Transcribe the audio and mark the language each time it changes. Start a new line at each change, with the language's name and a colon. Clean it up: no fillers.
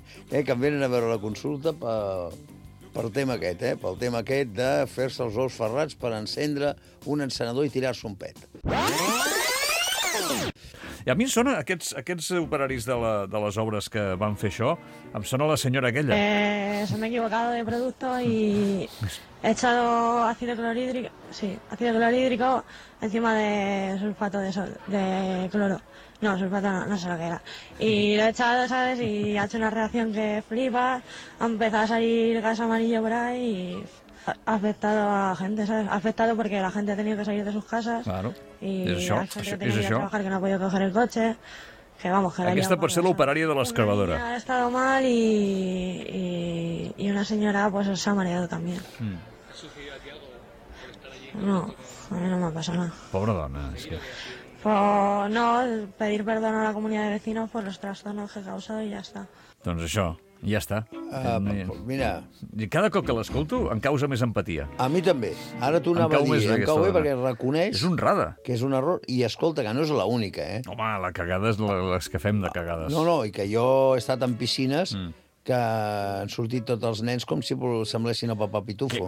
Catalan: Que em venen a veure la consulta pel tema aquest, pel tema aquest de fer-se els ous ferrats per encendre un encenedor i tirar-se un pet. I a mi em sona aquests operaris de les obres que van fer això, em sona la senyora aquella.
Spanish: Se me ha equivocado de producto y he echado ácido clorhídrico encima de sulfato de cloro. No, sulfato no sé lo que era. Y lo he echado, ¿sabes? Y ha hecho una reacción que flipa, ha empezado a salir gas amarillo por ahí y ha afectado a gente, ¿sabes? Ha afectado porque la gente ha tenido que salir de sus casas. Claro. Y es eso. Y ha tenido que trabajar, que no ha podido coger el coche. Que vamos, que
Catalan: aquesta pot ser l'operària de l'excavadora.
Spanish: Ha estado mal y una senyora pues se ha mareado también. No, a mí no me ha pasado nada.
Catalan: Pobre dona, es que...
Spanish: Pues no, pedir perdón a la comunidad de vecinos por los trastornos que he causado y ya está.
Catalan: Doncs això, ja està. Mira... Cada cop que l'escolto em causa més empatia. A mi també. Ara tu anava a dir, em cau bé perquè reconeix... És honrada. ...que és un error. I escolta, que no és l'única, eh? Home, la cagada és les que fem de cagades. No, no, i que jo he estat en piscines... que han sortit tots els nens com si semblessin a Papa Pitufo.